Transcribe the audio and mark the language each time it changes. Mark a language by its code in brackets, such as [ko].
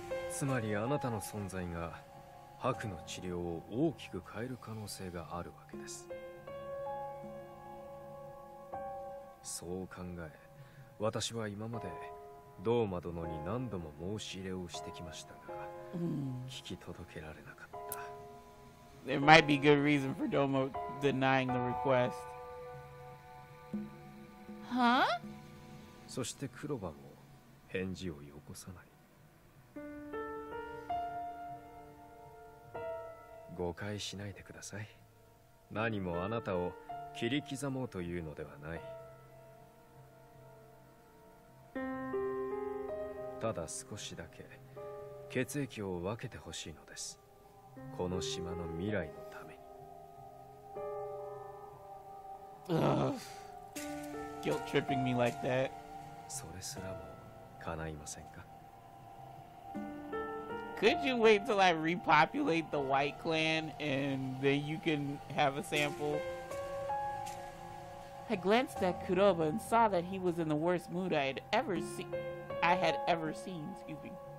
[ja] つまりあなたの存在が白の治療を大きく変える可能性があるわけです。そう考え、私は今までドーマ殿に何度も申し入れをしてきましたが、聞き届けられなかった。 [en] There might be good reason for Domo denying the request. Huh? [ja] そしてクロバも返事をよこさない。誤解しないでください。何もあなたを切り刻もうというのではない。ただ少しだけ血液を分けてほしいのです。この島の未来のために。 [en] Guilt tripping me like that. [ja] それすらも叶いませんか？ [en] Could you wait till I repopulate the white clan and then you can have a sample? I glanced at Kuroba and saw that he was in the worst mood I had ever seen, excuse me.